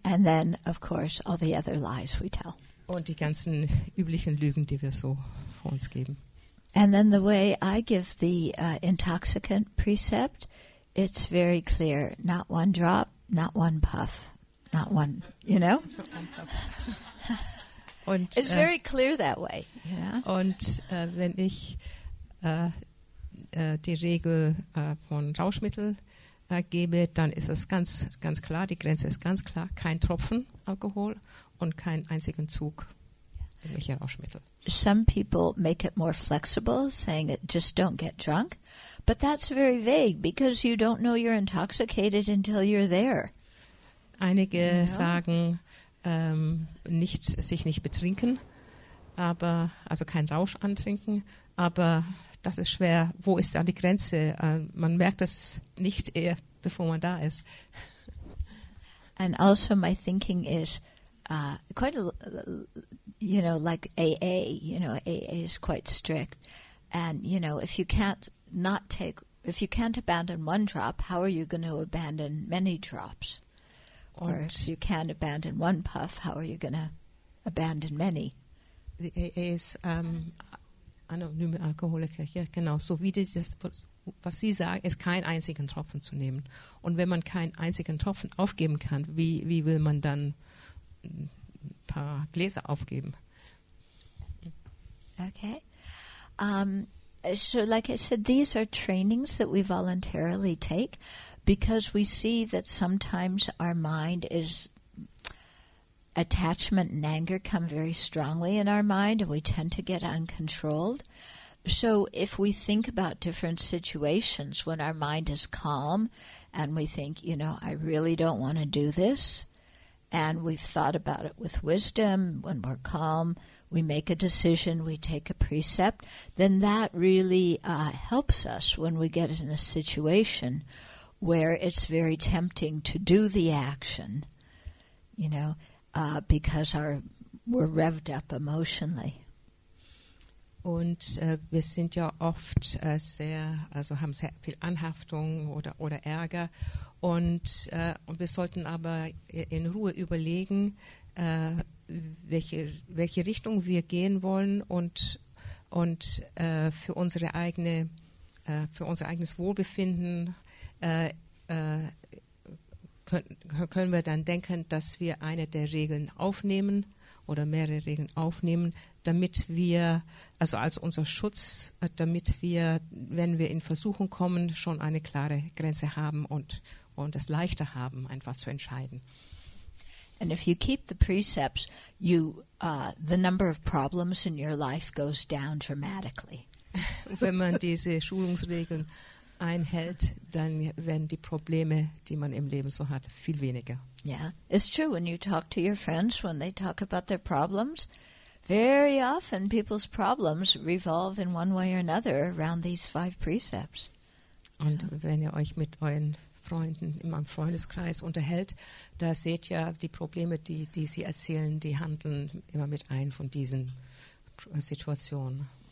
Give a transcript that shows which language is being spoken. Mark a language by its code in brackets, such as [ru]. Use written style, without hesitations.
[en] And then, of course, all the other lies we tell. [de] Und die ganzen üblichen Lügen, die wir so vor uns geben. [en] And then the way I give the intoxicant precept, it's very clear. Not one drop, not one puff, not one, you know? [de] Und, [en] it's very clear that way, you know? [de] Und wenn ich die Regel von Rauschmittel gebe, dann ist es ganz, ganz klar, die Grenze ist ganz klar, kein Tropfen Alkohol und kein einzigen Zug. [en] Some people make it more flexible, saying it just don't get drunk, but that's very vague because you don't know you're intoxicated until you're there. [de] Einige sagen nicht sich nicht betrinken, aber also kein Rausch antrinken, aber das ist schwer. Wo ist da die Grenze? Man merkt das nicht eher, bevor man da ist. [en] And also my thinking is quite you know, like AA, you know, AA is quite strict. And, you know, if you can't abandon one drop, how are you going to abandon many drops? Or if you can't abandon one puff, how are you going to abandon many? The AA is [de] anonyme Alkoholiker, ja, genau. So wie das, was Sie sagen, ist keinen einzigen Tropfen zu nehmen. Und wenn man keinen einzigen Tropfen aufgeben kann, wie will man dann paar Gläser aufgeben. [en] Okay. So like I said, these are trainings that we voluntarily take because we see that sometimes our mind is attachment and anger come very strongly in our mind and we tend to get uncontrolled. So if we think about different situations when our mind is calm and we think, you know, I really don't want to do this, and we've thought about it with wisdom, when we're calm, we make a decision, we take a precept, then that really helps us when we get in a situation where it's very tempting to do the action, you know, because we're revved up emotionally. [de] Und wir sind ja oft haben sehr viel Anhaftung oder Ärger. Und wir sollten aber in Ruhe überlegen, welche Richtung wir gehen wollen und für unser eigenes Wohlbefinden können wir dann denken, dass wir eine der Regeln aufnehmen oder mehrere Regeln aufnehmen, damit wir, also als unser Schutz, damit wir, wenn wir in Versuchung kommen, schon eine klare Grenze haben und es leichter haben, einfach zu entscheiden. [en] And if you keep the precepts, you the number of problems in your life goes down dramatically. [de] Wenn man diese Schulungsregeln einhält, dann werden die Probleme, die man im Leben so hat, viel weniger. [en] Yeah, it's true. When you talk to your friends, when they talk about their problems, very often people's problems revolve in one way or another around these five precepts. [de] Und wenn ihr euch mit euren Freunden in meinem Freundeskreis unterhält, da seht ihr die Probleme, die sie erzählen, die handeln immer mit ein von diesen Situationen.